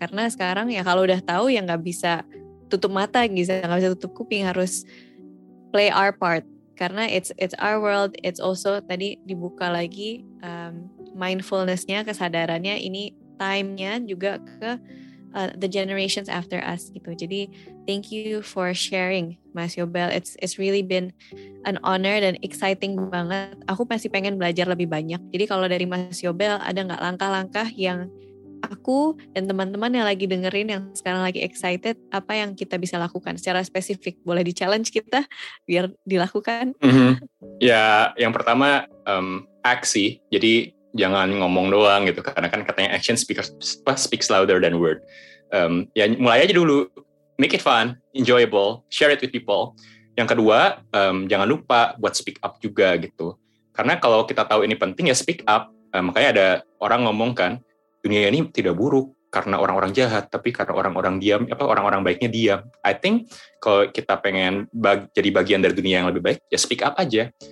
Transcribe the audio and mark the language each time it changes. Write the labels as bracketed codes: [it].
[id] Karena sekarang ya kalau udah tahu ya nggak bisa tutup mata, nggak bisa tutup kuping, harus [en] play our part. [id] Karena [en] it's our world. It's also [id] tadi dibuka lagi. Mindfulness-nya, kesadarannya, ini time-nya juga ke [en] the generations after us [id] gitu. Jadi [en] thank you for sharing, [id] Mas Yobel. [en] It's really been an honor [id] dan exciting banget. Aku pasti pengen belajar lebih banyak. Jadi kalau dari Mas Yobel ada nggak langkah-langkah yang aku dan teman-teman yang lagi dengerin yang sekarang lagi excited, apa yang kita bisa lakukan secara spesifik, boleh di challenge kita biar dilakukan? Ya, yang pertama aksi. Jadi jangan ngomong doang gitu, karena kan katanya [en] action speaks louder than word. [id] Ya mulai aja dulu, [en] make it fun, enjoyable, share it with people. [id] Yang kedua, jangan lupa buat speak up juga gitu. Karena kalau kita tahu ini penting ya speak up, makanya ada orang ngomong kan, dunia ini tidak buruk karena orang-orang jahat, tapi karena orang-orang diam, apa orang-orang baiknya diam. [en] I think [id] kalau kita pengen jadi bagian dari dunia yang lebih baik, ya speak up aja.